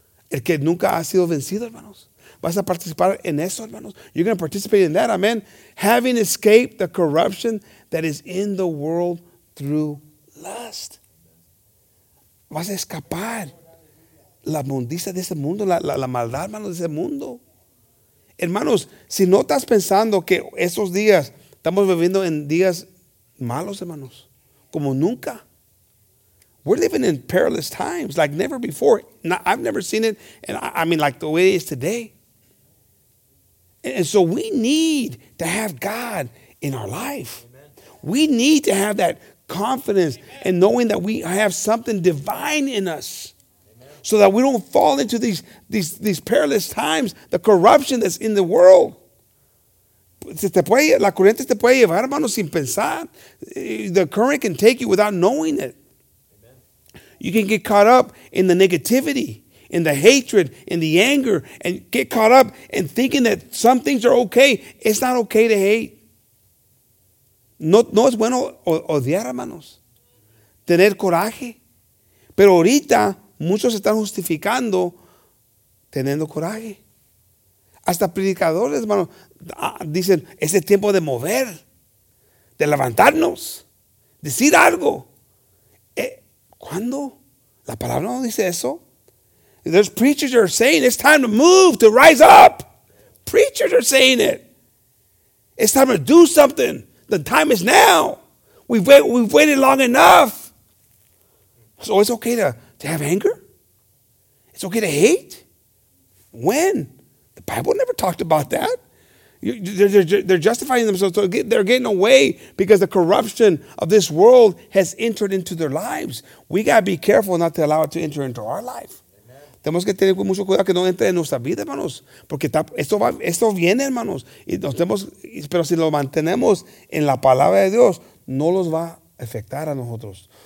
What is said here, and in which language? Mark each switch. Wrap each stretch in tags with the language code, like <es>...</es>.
<es>El que nunca ha sido vencido, hermanos. Vas a participar en eso, hermanos.</es> <en>You're going to participate in that, amen. Having escaped the corruption that is in the world through lust.</en> <es>Vas a escapar la mundicia de ese mundo, la maldad, hermanos, de ese mundo. Hermanos, si no estás pensando que esos días estamos viviendo en días malos, hermanos, como nunca.</es> <en>We're living in perilous times like never before. Now, I've never seen it, and I mean like the way it is today. And so we need to have God in our life. Amen. We need to have that confidence and knowing that we have something divine in us. Amen. So that we don't fall into these perilous times, the corruption that's in the world.</en> <es>La corriente te puede llevar, hermano, sin pensar.</es> <en>The current can take you without knowing it. You can get caught up in the negativity, in the hatred, in the anger, and get caught up in thinking that some things are okay. It's not okay to hate.</en> <es>No es bueno odiar, hermanos. Tener coraje. Pero ahorita, muchos están justificando teniendo coraje. Hasta predicadores, hermanos, dicen, es el tiempo de mover, de levantarnos, decir algo. ¿Cuándo? La palabra no dice eso.</es> <en>There's preachers that are saying it's time to move, to rise up. Preachers are saying it. It's time to do something. The time is now. We've waited long enough. So it's okay to have anger? It's okay to hate? When? The Bible never talked about that. They're justifying themselves. So they're getting away because the corruption of this world has entered into their lives. We got to be careful not to allow it to enter into our life.</en> <es>Tenemos que tener mucho cuidado que no entre en nuestra vida, hermanos. Porque esto viene, hermanos. Y nos tenemos, pero si lo mantenemos en la palabra de Dios, no los va a afectar a nosotros.</es>